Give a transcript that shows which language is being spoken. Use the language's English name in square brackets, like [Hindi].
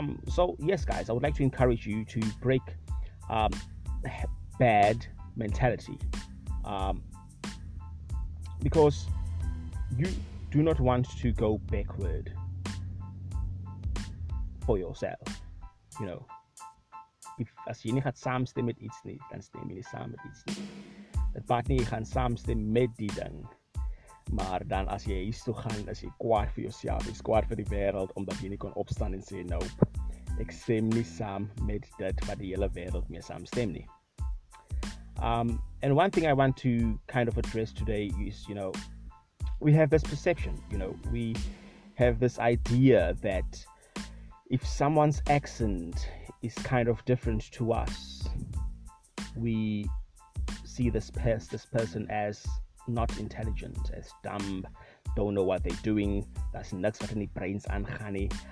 [English] So yes, guys, I would like to encourage you to break bad mentality, because you do not want to go backward for yourself, you know. [Afrikaans] If as jy nie gaan saamstem met iets nie, dan stem jy nie saam met iets nie. Dit baat nie jy gaan saamstem met die ding. Maar dan as jy huis toe gaan, is jy kwaad vir jouself, is kwaad vir die wêreld, omdat jy nie kon opstaan en sê, nope, ek stem nie saam met dit wat die hele wêreld mee saamstem nie. [English] And one thing I want to kind of address today is, you know, we have this perception, you know, we have this idea that if someone's accent is kind of different to us, we see this person as not intelligent, as dumb, don't know what they're doing, that's nuts for any brains and honey.